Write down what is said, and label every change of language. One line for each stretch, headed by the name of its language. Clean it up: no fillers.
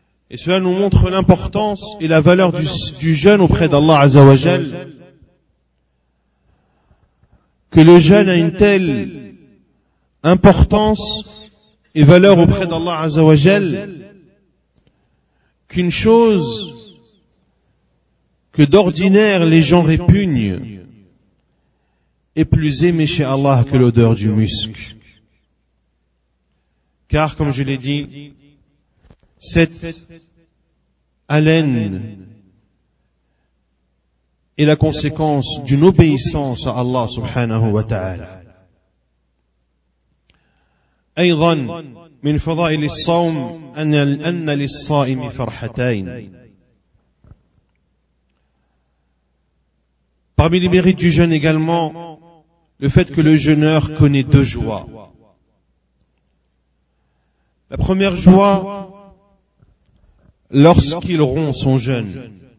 French: Et cela nous montre l'importance et la valeur du jeûne auprès d'Allah azza wa jal, que le jeûne a une telle importance et valeur auprès d'Allah azza wa jal, qu'une chose que d'ordinaire les gens répugnent est plus aimé chez Allah que l'odeur du musc. Car, comme je l'ai dit, cette haleine est la conséquence d'une obéissance à Allah subhanahu wa ta'ala.
Arabic: أيضا من فضائل الصوم أن للصائم فرحتين.
French: Parmi les mérites du jeûne également, le fait que le jeûneur connaît deux joies. La première joie, lorsqu'il rompt son jeûne.